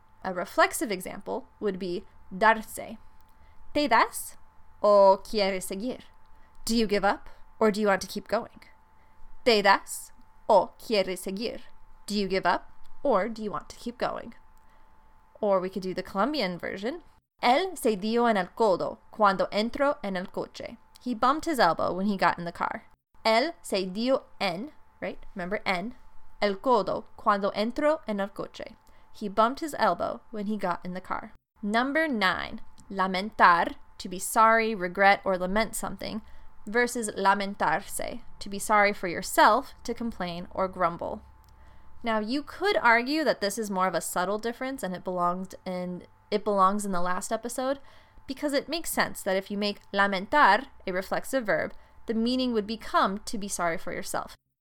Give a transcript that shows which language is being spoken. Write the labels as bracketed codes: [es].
[en] A reflexive example would be darse. [es] ¿Te das o quieres seguir? [en] Do you give up or do you want to keep going? [es] ¿Te das o quieres seguir? [en] Do you give up or do you want to keep going? Or we could do the Colombian version. [es] Él se dio en el codo cuando entró en el coche. [en] He bumped his elbow when he got in the car. [es] Él se dio en, right? Remember en, el codo cuando entró en el coche. [en] He bumped his elbow when he got in the car. Number 9, lamentar, to be sorry, regret, or lament something, versus lamentarse, to be sorry for yourself, to complain or grumble. Now, you could argue that this is more of a subtle difference and it belongs in the last episode, because it makes sense that if you make lamentar a reflexive verb, the meaning would become to be sorry for yourself.